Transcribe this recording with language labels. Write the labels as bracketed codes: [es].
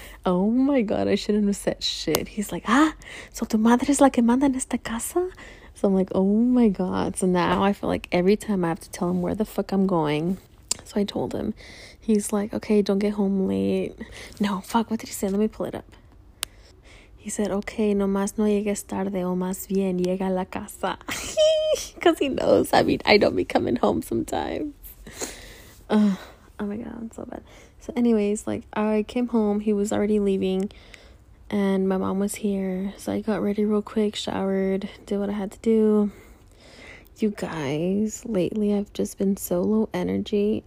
[en] Oh my god, I shouldn't have said shit. He's like, ah, so [es] tu madre es la que manda en esta casa? [en] So I'm like, oh my god. So now I feel like every time I have to tell him where the fuck I'm going. So I told him. He's like, okay, don't get home late. No, fuck, what did he say? Let me pull it up. He said, okay, [es] nomás no llegues tarde o más bien llega a la casa. [en] Because he knows. I mean, I don't be coming home sometimes. Oh my god, I'm so bad. So anyways, like, I came home. He was already leaving. And my mom was here. So I got ready real quick, showered, did what I had to do. You guys, lately I've just been so low energy.